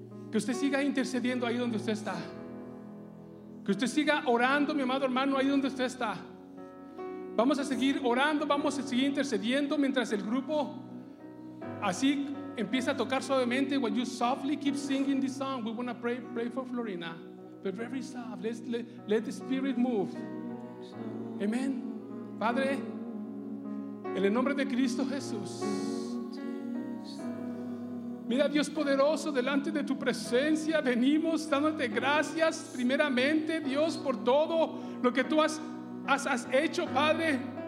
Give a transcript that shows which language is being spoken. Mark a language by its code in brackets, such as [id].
[es] Que usted siga intercediendo ahí donde usted está. Que usted siga orando, mi amado hermano, ahí donde usted está. Vamos a seguir orando, vamos a seguir intercediendo mientras el grupo así empieza a tocar suavemente. [en] When you softly keep singing this song, we want to pray for Florina. But very soft, let the Spirit move. Amen. [es] Padre, en el nombre de Cristo Jesús, mira, Dios poderoso, delante de tu presencia venimos dándote gracias primeramente, Dios, por todo lo que tú has hecho, Padre.